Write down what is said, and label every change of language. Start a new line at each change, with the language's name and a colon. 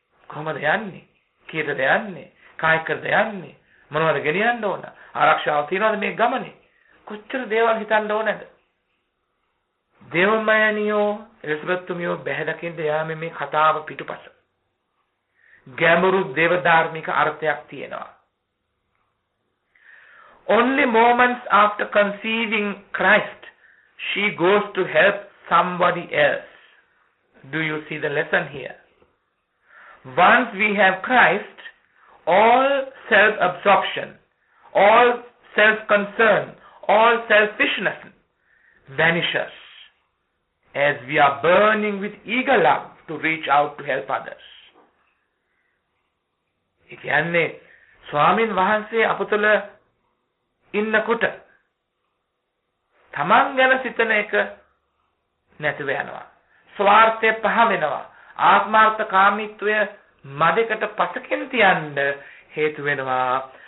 Sinhala: කොහොමද යන්නේ? කීයටද යන්නේ? කායි කරද යන්නේ? මොනවද ගෙනියන්න ඕන? ආරක්ෂාව තියනවද මේ ගමනේ? කොච්චර දේවල් හිතන්න ඕනද? දේවමයනියෝ එලිසබෙත්තුමියෝ බැහැදකින්ද යාමේ මේ කතාව පිටුපස ගැඹුරු දේවධාර්මික අර්ථයක් තියෙනවා.
English: Only moments after conceiving Christ, she goes to help somebody else. Do you see the lesson here? Once we have Christ, all self-absorption, all self-concern, all selfishness vanishes as we are burning with eager love to reach out to help others.
Sinhala: Ekyanne Swamin Vahanse Aputala ඉන්නකොට තමන් ගැන සිතන එක නැතිව යනවා. ස්වార్థය පහ වෙනවා. ආත්මార్థ කාමීත්වය මදෙකට පසකින් තියන්න හේතු වෙනවා.